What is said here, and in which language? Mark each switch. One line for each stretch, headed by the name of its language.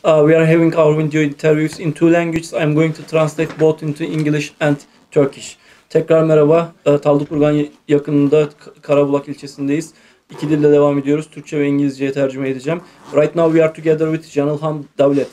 English: We are having our video interviews in two languages. I'm going to translate both into English and Turkish.
Turkish: Tekrar merhaba, Taldukurgan yakınında Karabulak ilçesindeyiz. İki dille devam ediyoruz, Türkçe ve İngilizceye tercüme edeceğim.
English: Right now we are together with Canilhan Devlet.